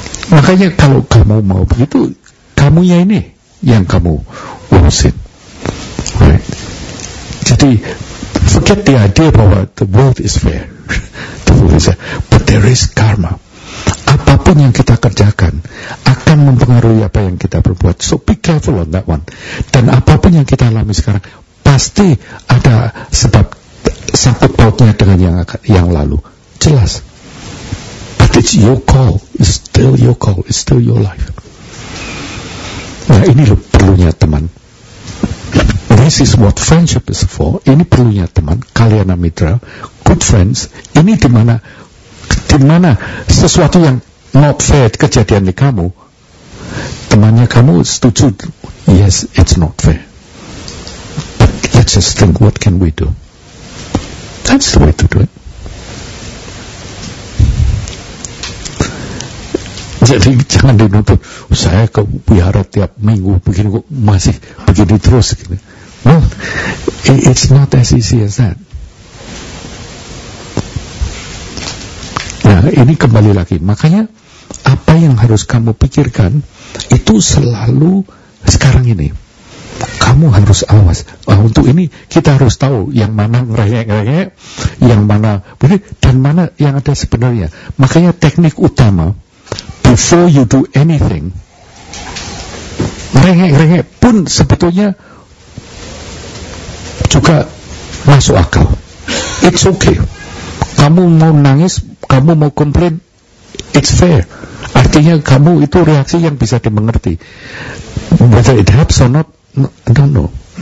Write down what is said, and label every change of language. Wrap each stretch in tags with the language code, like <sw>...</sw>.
<id>Makanya kalau kamu mau begitu, kamunya ini yang kamu urusin, right? Jadi</id> <en>forget the idea</en> <id>bahwa</id> <en>the world is fair, the world is fair, but there is karma.</en> <id>Apapun yang kita kerjakan akan mempengaruhi apa yang kita perbuat.</id> <en>So be careful on that one.</en> <id>Dan apapun yang kita alami sekarang pasti ada sebab sangkut pautnya dengan yang lalu. Jelas.</id> <en>But it's your call. It's still your call. It's still your life.</en> <id>Nah, ini loh perlunya teman.</id> <en>This is what friendship is for.</en> <id>Ini perlunya teman. Kalyana Mitra.</id> <en>Good friends.</en> <id>Ini dimana sesuatu yang</id> <en>not fair</en> <id>kejadian di kamu, temannya kamu setuju.</id> <en>Yes, it's not fair. Just think, what can we do? That's the way to do it.</en> <id>Jadi jangan dinutup, saya ke wihara tiap minggu begini kok masih begini terus.</id> <en>Well, it's not as easy as that.</en> <id>Nah, ini kembali lagi. Makanya apa yang harus kamu pikirkan itu selalu sekarang ini. Kamu harus awas. Nah, untuk ini kita harus tahu yang mana ngerayek-ngerayek, yang mana boleh, dan mana yang ada sebenarnya. Makanya teknik utama,</id> <en>before you do anything,</en> <id>ngerayek-ngerayek pun sebetulnya juga masuk akal.</id> <en>It's okay.</en> <id>Kamu mau nangis, kamu mau komplain,</id> <en>it's fair.</en> <id>Artinya kamu itu reaksi yang bisa dimengerti.</id> <en>Whether it helps or not, no.</en>